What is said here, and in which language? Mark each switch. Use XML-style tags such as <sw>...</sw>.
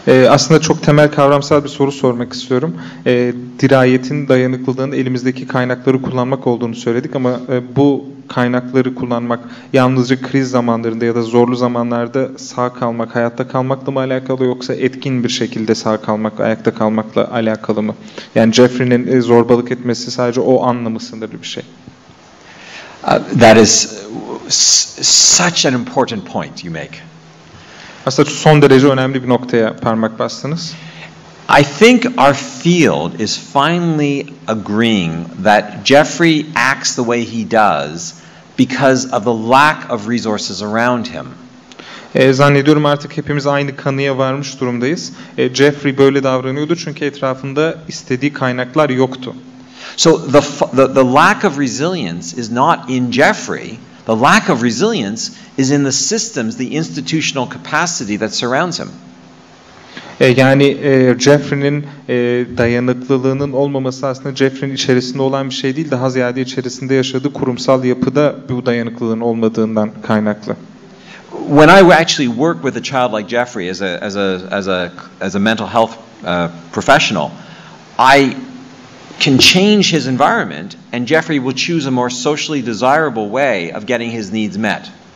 <tr>Aslında çok temel kavramsal bir soru sormak istiyorum. Dirayetin, dayanıklılığın elimizdeki kaynakları kullanmak olduğunu söyledik ama bu kaynakları kullanmak yalnızca kriz zamanlarında ya da zorlu zamanlarda sağ kalmak, hayatta kalmakla mı alakalı yoksa etkin bir şekilde sağ kalmak, ayakta kalmakla alakalı mı? Yani Jeffrey'nin zorbalık etmesi sadece o anlamı sınırlı bir şey.</tr> <en>That is such an important point you make.</en> <tr>Aslında son derece önemli bir noktaya parmak bastınız.</tr> <en>I think our field is finally agreeing that Jeffrey acts the way he does because of the lack of resources around him.</en> <tr>Zannediyorum artık hepimiz aynı kanıya varmış durumdayız. Jeffrey böyle davranıyordu çünkü etrafında istediği kaynaklar yoktu.</tr> <en>So the lack of resilience is not in Jeffrey. The lack of resilience is in the systems, the institutional capacity that surrounds him.</en> <tr>Yani Jeffrey'nin dayanıklılığının olmaması aslında Jeffrey'nin içerisinde olan bir şey değil, daha ziyade içerisinde yaşadığı kurumsal yapıda bu dayanıklılığın olmadığından kaynaklı.</tr> <en>When I actually work with a child like Jeffrey as a mental health professional, I can change his environment and Jeffrey will choose a more socially desirable way of getting his needs met.</en>